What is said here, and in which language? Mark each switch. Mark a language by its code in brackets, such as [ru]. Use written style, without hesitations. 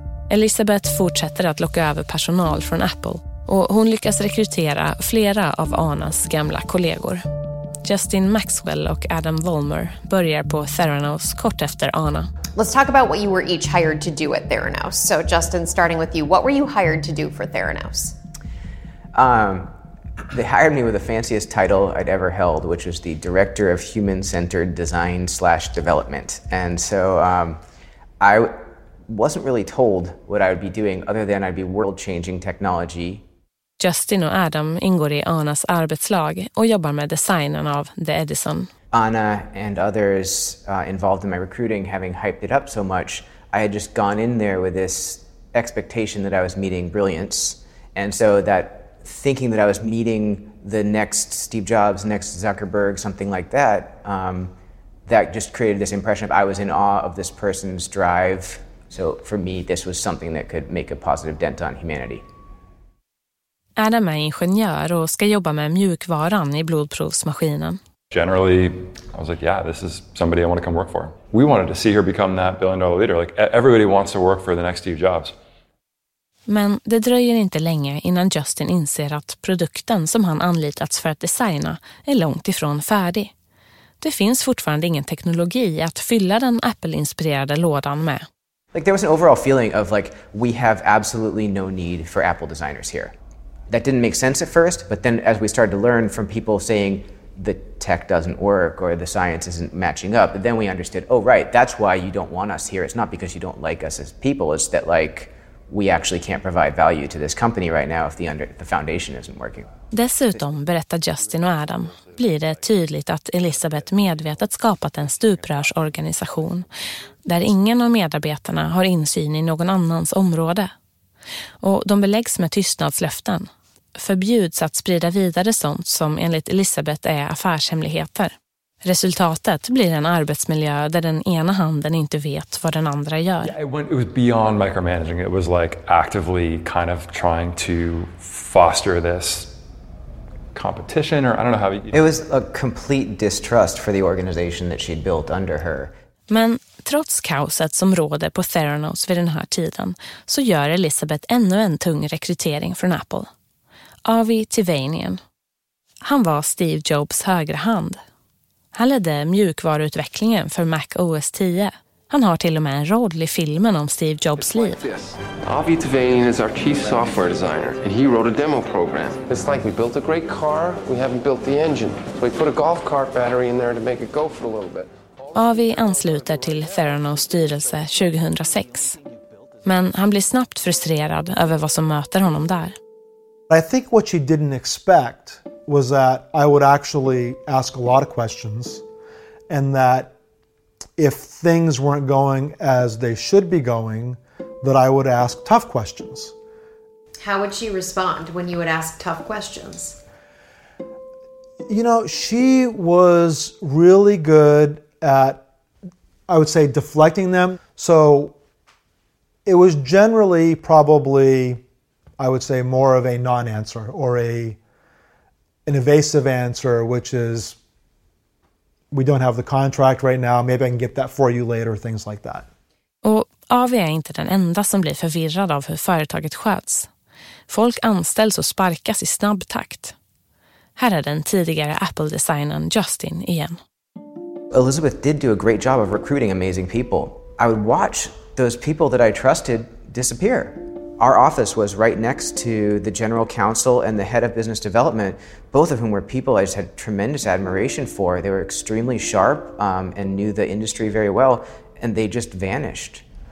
[sv] Elisabeth fortsätter att locka över personal från Apple. Och hon lyckas rekrytera flera av Anas gamla kollegor. Justin Maxwell och Adam Vollmer börjar på Theranos kort efter Anna. [en] Let's talk about what you were each hired to do at Theranos. So Justin, starting with you, what were you hired to do for Theranos? They hired me with the fanciest title I'd ever held, which was the Director of Human-Centered Design / Development. And so I wasn't really told what I would be doing other than I'd be world-changing technology. [sv] Justin och Adam ingår i Anas arbetslag och jobbar med designen av The Edison. [en] Anna and others involved in my recruiting, having hyped it up so much, I had just gone in there with this expectation that I was meeting brilliance. And so that thinking that I was meeting the next Steve Jobs, next Zuckerberg, something like that, that just created this impression of I was in awe of this person's drive. So for me, this was something that could make a positive dent on humanity. [sv] Adam är ingenjör och ska jobba med mjukvaran i blodprovsmaskinen. [en] Generally, I was like, yeah, this is somebody I want to come work for. We wanted to see her become that billion-dollar leader. Like, everybody wants to work for the next Steve Jobs. [sv] Men det dröjer inte länge innan Justin inser att produkten som han anlitats för att designa är långt ifrån färdig. Det finns fortfarande ingen teknologi att fylla den Apple-inspirerade lådan med. [en] Like, there was an overall feeling of like, we have absolutely no need for Apple designers here. That didn't make sense at first, but then as we started to learn from people saying the tech doesn't work or the science isn't matching up, then we understood, oh, right, that's why you don't want us here. It's not because you don't like us as people. It's that, like, we actually can't provide value to this company right now if the foundation isn't working. [sv] Dessutom, berättar Justin och Adam, blir det tydligt att Elisabeth medvetet skapat en stuprörsorganisation där ingen av medarbetarna har insyn i någon annans område. Och de beläggs med tystnadslöften, förbjuds att sprida vidare sånt som enligt Elisabeth är affärshemligheter. Resultatet blir en arbetsmiljö där den ena handen inte vet vad den andra gör. [en] Yeah, it was beyond micromanaging. It was like actively kind of trying to foster this competition, or I don't know how. It was a complete distrust for the organization that she'd built under her. [sv] Men trots kaoset som råder på Theranos vid den här tiden så gör Elisabeth ännu en tung rekrytering från Apple. Avi Tivanian. Han var Steve Jobs högra hand. Han ledde mjukvaruutvecklingen för Mac OS 10. Han har till och med en roll i filmen om Steve Jobs liv. [en] Avi Tivanian is our chief software designer and he wrote a demo program. It's like we built a great car, we haven't built the engine. So we put a golf cart battery in there to make it go for a little bit. [sv] Avi ansluter till Theranos styrelse 2006. Men han blir snabbt frustrerad över vad som möter honom där. [en] I think what she didn't expect was that I would actually ask a lot of questions and that if things weren't going as they should be going, that I would ask tough questions. How would she respond when you would ask tough questions? You know, she was really good at, I would say, deflecting them. So it was generally probably, I would say, more of a non-answer or an evasive answer, which is, we don't have the contract right now, maybe I can get that for you later, things like that. [sv] Och AV är inte den enda som blir förvirrad av hur företaget sköts. Folk anställs och sparkas i snabb takt. Här är den tidigare Apple-designern Justin igen. [en] Elizabeth did do a great job of recruiting amazing people. I would watch those people that I trusted disappear. Our office was right next to the general counsel and the head of business development, both of whom were people I just had tremendous admiration for. They were extremely sharp and knew the industry very well, and they just vanished.